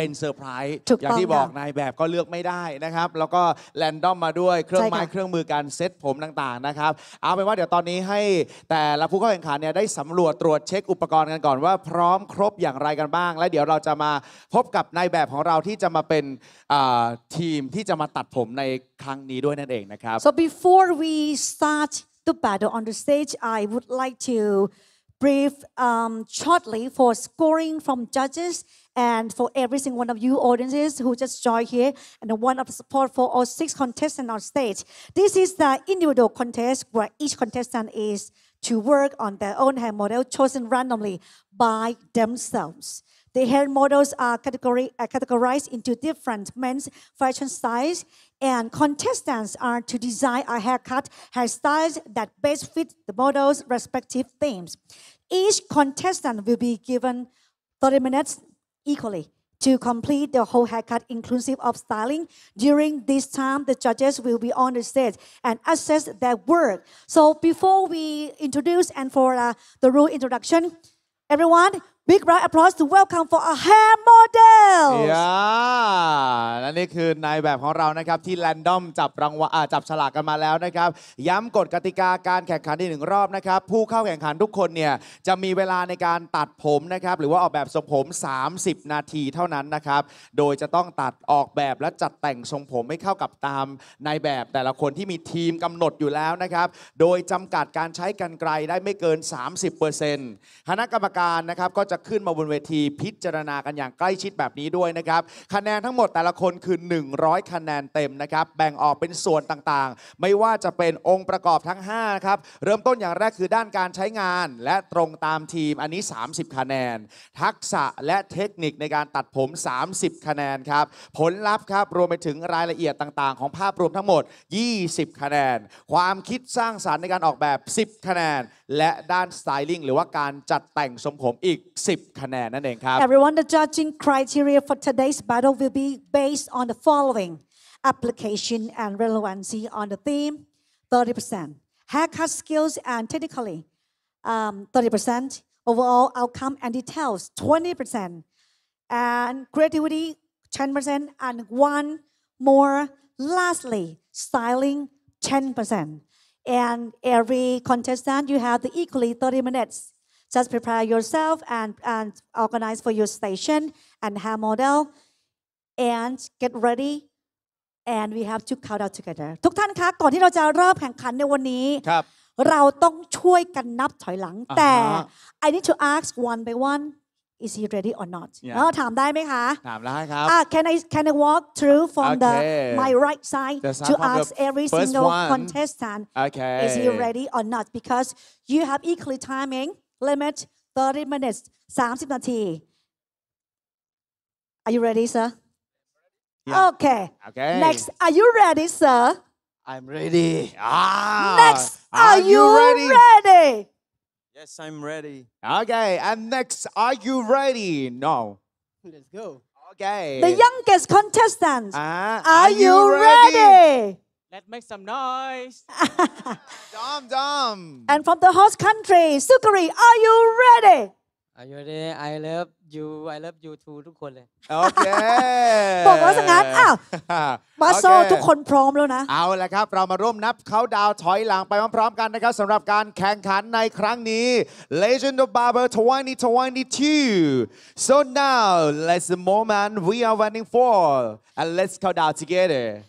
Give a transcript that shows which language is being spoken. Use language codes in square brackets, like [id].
[th] เป็นเซอร์ไพรส์อย่างที่บอกนายแบบก็เลือกไม่ได้นะครับแล้วก็แรนดอมมาด้วยเครื่องไม้เครื่องมือการเซตผมต่างๆนะครับเอาเป็นว่าเดี๋ยวตอนนี้ให้แต่ละผู้เข้าแข่งขันเนี่ยได้สำรวจตรวจเช็คอุปกรณ์กันก่อนว่าพร้อมครบอย่างไรกันบ้างและเดี๋ยวเราจะมาพบกับนายแบบของเราที่จะมาเป็นทีมที่จะมาตัดผมในครั้งนี้ด้วยนั่นเองนะครับ [en] So before we start the battle on the stage I would like to brief shortly for scoring from judges and for every single one of you audiences who just joined here and one of support for all six contestants on stage This is the individual contest where each contestant isTo work on their own hair model chosen randomly by themselves. The hair models are categorized into different men's fashion styles, and contestants are to design a haircut hairstyles that best fit the model's respective themes. Each contestant will be given 30 minutes equally to complete the whole haircut, inclusive of styling. During this time, the judges will be on the stage and assess their work. So before we introduce and for the rule introduction, everyone, big round of applause to welcome for our hair models. [th] Yeah, และนี่คือนายแบบของเรานะครับที่ random จับรางวัลจับฉลากกันมาแล้วนะครับย้ำกฎกติกาการแข่งขันอีกหนึ่งรอบนะครับผู้เข้าแข่งขันทุกคนเนี่ยจะมีเวลาในการตัดผมนะครับหรือว่าออกแบบทรงผม30นาทีเท่านั้นนะครับโดยจะต้องตัดออกแบบและจัดแต่งทรงผมให้เข้ากับตามนายแบบแต่ละคนที่มีทีมกำหนดอยู่แล้วนะครับโดยจำกัดการใช้กรรไกรได้ไม่เกิน 30% คณะกรรมการนะครับก็จะขึ้นมาบนเวทีพิจารณากันอย่างใกล้ชิดแบบนี้ด้วยนะครับคะแนนทั้งหมดแต่ละคนคือ100คะแนนเต็มนะครับแบ่งออกเป็นส่วนต่างๆไม่ว่าจะเป็นองค์ประกอบทั้ง5นะครับเริ่มต้นอย่างแรกคือด้านการใช้งานและตรงตามทีมอันนี้30คะแนน ทักษะและเทคนิคในการตัดผม30คะแนนครับผลลัพธ์ครับรวมไปถึงรายละเอียดต่างๆของภาพรวมทั้งหมด20คะแนนความคิดสร้างสรรค์ในการออกแบบ10คะแนนและด้านสไตลิ่งหรือว่าการจัดแต่งทรงผมอีก10คะแนนนั่นเองครับ [en] Everyone the judging criteria for today's battle will be based on the following application and relevancy on the theme 30% haircut skills and technically 30% overall outcome and details 20% and creativity 10% and one more lastly styling 10%And every contestant, you have the equally 30 minutes. Just prepare yourself and organize for your station and hair model. And get ready. And we have to count out together. [th] ทุกท่านคะก่อนที่เราจะเริ่มแข่งขันในวันนี้ครับ เราต้องช่วยกันนับถอยหลังแต่ [en] I need to ask one by one. Is he ready or not? Yeah. [th] ถามได้ไหมคะ ถามได้ครับ [en] Can I walk through from okay. the my right side That's to ask every single one. contestant okay. is he ready or not? Because you have equally timing limit 30 minutes [th] 30นาที [en] Are you ready, sir? Yeah. Okay. Next, are you ready, sir? I'm ready. Next, are you ready? Yes, sir. Yes, I'm ready. Okay, and next, are you ready? No. Let's go. Okay. The youngest contestant. Are you ready? Let's make some noise. Dom. And from the host country, Sukari, are you ready? Are you ready? I love you. I love you too, [th] ทุกคนเลย [en] Okay. [th] บอกว่าสังหารอ้าวมาโซทุกคนพร้อมแล้วนะ เอาละครับเรามาร่วมนับเขาดาวถอยหลังไปพร้อมๆกันนะครับสำหรับการแข่งขันในครั้งนี้ Legend of Barber 2022 [en] So now, let's the moment we are waiting for and let's count down together.